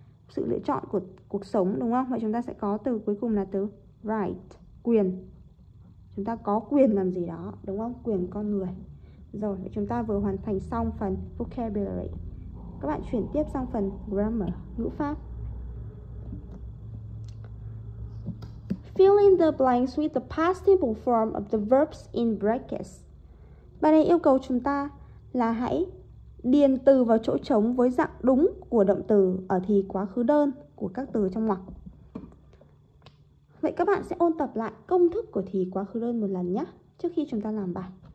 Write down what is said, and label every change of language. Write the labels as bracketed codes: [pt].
[vi] Sự lựa chọn của cuộc sống đúng không? Vậy chúng ta sẽ có từ cuối cùng là từ right. Quyền. Chúng ta có quyền làm gì đó đúng không? Quyền con người. Rồi, chúng ta vừa hoàn thành xong phần vocabulary. Các bạn chuyển tiếp sang phần grammar, ngữ pháp. [en] Fill in the blanks with the past simple form of the verbs in brackets. [vi] Bài này yêu cầu chúng ta là hãy điền từ vào chỗ trống với dạng đúng của động từ ở thì quá khứ đơn của các từ trong ngoặc. Vậy các bạn sẽ ôn tập lại công thức của thì quá khứ đơn một lần nhé, trước khi chúng ta làm bài.